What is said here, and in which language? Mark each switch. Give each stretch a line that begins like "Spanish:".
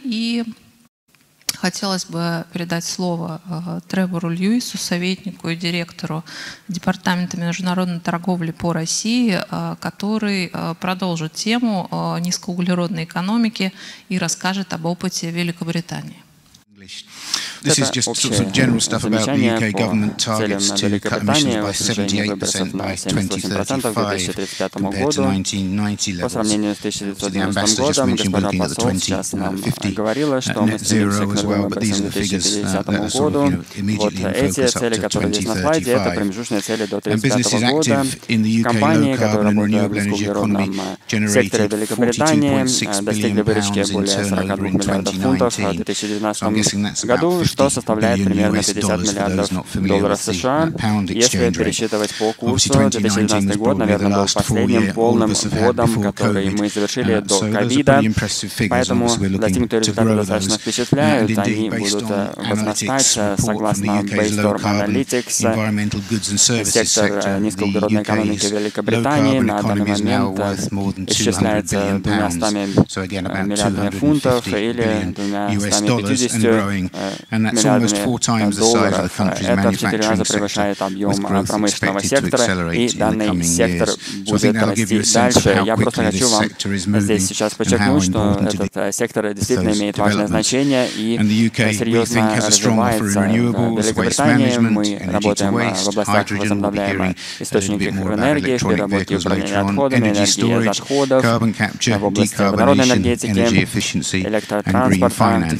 Russian: И хотелось бы передать слово Тревору Льюису, советнику и директору Департамента международной торговли по России, который продолжит тему низкоуглеродной экономики и расскажет об опыте Великобритании.
English: This is just sort of general stuff about the UK government targets to cut emissions by 78% by 2035 compared to 1990 levels. So the ambassador just mentioned we're looking at the 2050 net zero as well, but these are the figures that are sort of, you know, immediately in focus up to 2035. And businesses active in the UK low carbon and renewable energy economy generated £42.6 billion in turnover in 2019.
Russian: Году, что составляет примерно 50 миллиардов долларов США, если пересчитывать по курсу. 2019 год, наверное, был последним полным годом, который мы завершили до ковида, поэтому достигнутые результаты достаточно впечатляют, они будут возрастать, согласно Baystorm Analytics, сектор низкоуглеродной экономики Великобритании на данный момент исчисляется 200 миллиардами фунтов или 250
English: And that's almost four times the size of the country's manufacturing sector, with growth expected to accelerate in the coming years. So I think that'll give you a sense of how quickly this sector is moving and how important it is to those developments. And the UK, we think, has a strong offer in renewables, waste management, energy to waste, hydrogen, we'll be hearing a little bit more about electronic vehicles later on, energy storage, carbon capture, decarbonation, energy efficiency, and green finance.